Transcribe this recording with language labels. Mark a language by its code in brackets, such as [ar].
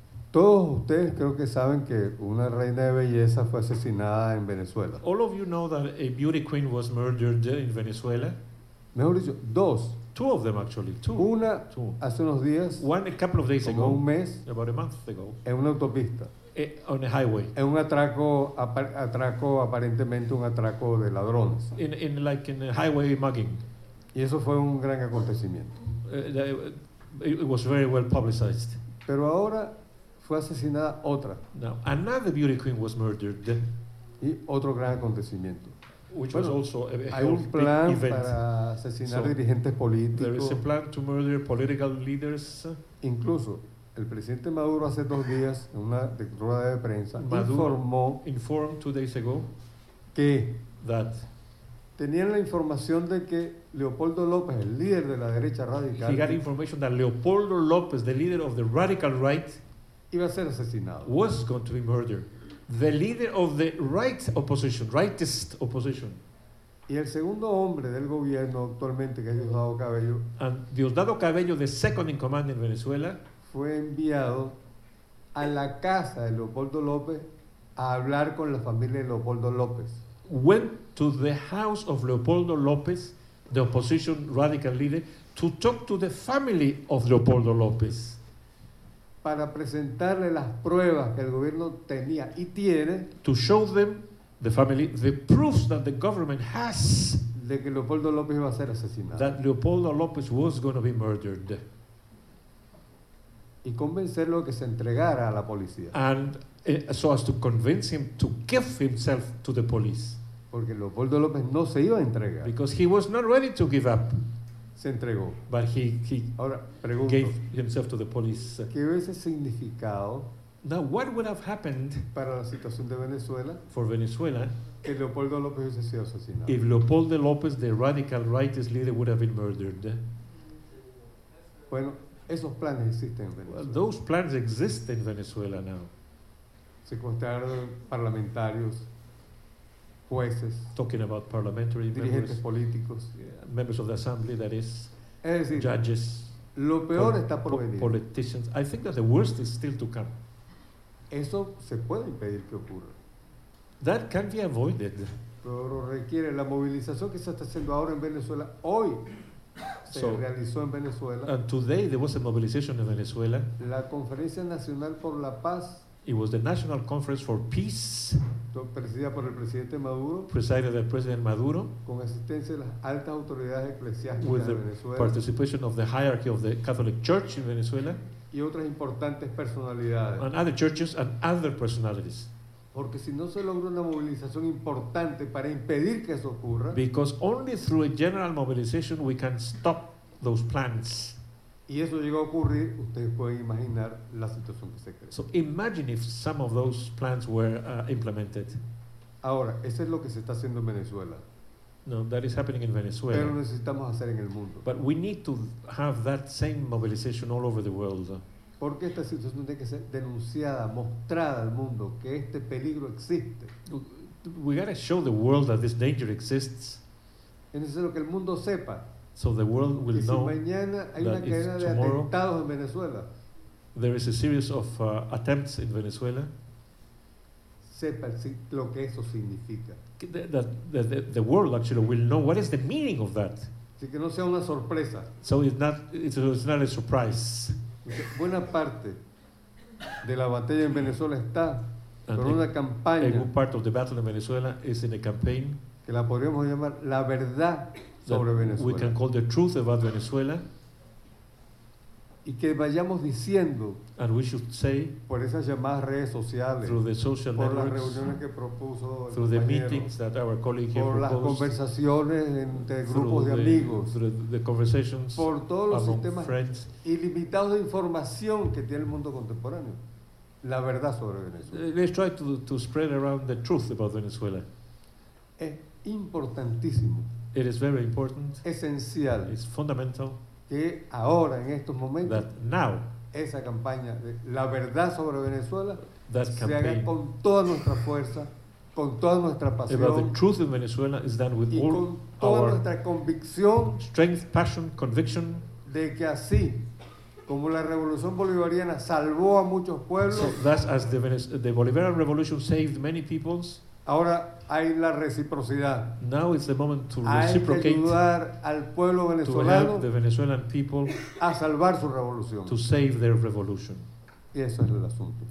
[es] Todos ustedes creo que saben que una reina de belleza fue asesinada en Venezuela. [en] All of you know that a beauty queen was murdered in Venezuela. [es] Mejor dicho, dos. [en] Two of them actually. Two. [es] Una [en] two. [es] Hace unos días. [en] One a couple of days [es] como [en] ago. [es] Un mes. [en] About a month ago. [es] En una autopista. [en] On a highway. [es] En un atraco, atraco aparentemente un atraco de ladrones. [en] In like in a highway mugging. [es] Y eso fue un gran acontecimiento. [en] It was very well publicized. [es] Pero ahora fue asesinada otra. [en] Now, another beauty queen was murdered. [es] Y otro gran acontecimiento. [en] Which [es] bueno, [en] was also a [es] hay un plan para asesinar [en] so, [es] dirigentes políticos. [en] There is a plan to murder political leaders. [es] Incluso el presidente Maduro hace dos días en una rueda de prensa informó [en] informed 2 days ago [es] que [en] that [es] tenían la información de que Leopoldo López, el líder de la derecha radical, [en] he got information that Leopoldo López, the leader of the radical right, [es] iba a ser asesinado. [en] Was going to be murdered. The leader of the right opposition, rightist opposition. [es] Y el segundo hombre del gobierno actualmente, que es Diosdado Cabello, [en] and Diosdado Cabello, the second in command in Venezuela, [es] fue enviado a la casa de Leopoldo López a hablar con la familia de Leopoldo López. [en] Went to the house of Leopoldo López, the opposition radical leader, to talk to the family of Leopoldo López. [es] Para presentarle las pruebas que el gobierno tenía y tiene. [en] To show them, the family, the proofs that the government has. [es] De que Leopoldo López iba a ser asesinado. [en] That Leopoldo López was going to be murdered. [es] Y convencerlo que se entregara a la policía. [en] And so as to convince him to give himself to the police. [es] Porque Leopoldo López no se iba a entregar. [en] Because he was not ready to give up. [es] Se entregó. [en] But he [es] ahora, pregunto, [en] gave himself to the police. [es] ¿Qué hubiese significado? [en] Now what would have happened [es] para la situación de Venezuela? [en] For Venezuela. [es] Que Leopoldo López hubiese sido asesinado. [en] If Leopoldo López, the radical rightist leader, would have been murdered. [es] Bueno, esos planes existen en Venezuela. [en] Well, those plans exist in Venezuela now. [es] Secuestrar parlamentarios, jueces, [en] talking about parliamentary [es] dirigentes políticos, [en] yeah, members of the assembly, that is, [es] es decir, [en] judges, [es] lo peor está por venir. [en] Politicians. I think that the worst is still to come. [es] Eso se puede impedir que ocurra. [en] That can be avoided. [es] Pero requiere la movilización que se está haciendo ahora en Venezuela, hoy. Se [en] so, [es] realizó en Venezuela. [en] And today there was a mobilization in Venezuela. [es] La Conferencia Nacional por la Paz. [en] It was the National Conference for Peace. [es] Presidida por el presidente Maduro. [en] Presided by President Maduro. [es] Con asistencia de las altas autoridades eclesiásticas [en] with [es] de Venezuela. [en] The participation of the hierarchy of the Catholic Church in Venezuela. [es] Y otras importantes personalidades. [en] And other churches and other personalities. [es] Porque si no se logra una movilización importante para impedir que eso ocurra. [en] Because only through a general mobilization we can stop those plans. [es] Y eso llegó a ocurrir, ustedes pueden imaginar la situación que se creó. [en] So imagine if some of those plans were implemented. [es] Ahora, eso es lo que se está haciendo en Venezuela. [en] No, that is happening in Venezuela. [es] Pero necesitamos hacer en el mundo. [en] But we need to have that same mobilization all over the world. [es] Porque esta situación tiene que ser denunciada, mostrada al mundo que este peligro existe. [en] We gotta show the world that this danger exists. [es] Es necesario que el mundo sepa. [en] So the world will know. [es] Y si mañana hay una cadena de atentados en Venezuela. [en] There is a series of attempts in Venezuela. [es] Sepa lo que eso significa. [en] The world actually will know what is the meaning of that. [es] Así que no sea una sorpresa. [en] So it's not a surprise. [es] Buena parte de la batalla en Venezuela está por una campaña. [en] A good part of the battle in Venezuela is in a campaign [es] que la podríamos llamar la verdad sobre Venezuela. [en] We can call the truth about Venezuela. [es] Y que vayamos diciendo, [en] and we should say, [es] por esas llamadas redes sociales, [en] through the social networks, [es] por las reuniones que propuso, [en] through the meetings that our colleague here [es] por [en] proposed, [es] las conversaciones entre grupos de amigos, [en] the conversations [es] por todos los sistemas ilimitados de información que tiene el mundo contemporáneo, la verdad sobre Venezuela. [en] Let's try to spread around the truth about Venezuela. [es] Es importantísimo. [en] It is very important. [es] Esencial. [en] It's fundamental. [es] Que ahora, en estos momentos, [en] that now, [es] esa campaña de la verdad sobre Venezuela [en] that [es] se haga con toda nuestra fuerza, con toda nuestra pasión, [en] about the truth in Venezuela is done with [es] y [en] all [es] con toda [en] our [es] nuestra convicción [en] strength, passion, conviction, [es] de que así, como la Revolución Bolivariana salvó a muchos pueblos, [en] so thus as the Bolivarian Revolution saved many peoples, [es] ahora hay la reciprocidad. [en] Now is the moment to reciprocate. [es] Hay que ayudar al pueblo venezolano, [en] to help the Venezuelan people, [es] a salvar su revolución. [en] To save their revolution. [es] Y eso es el asunto.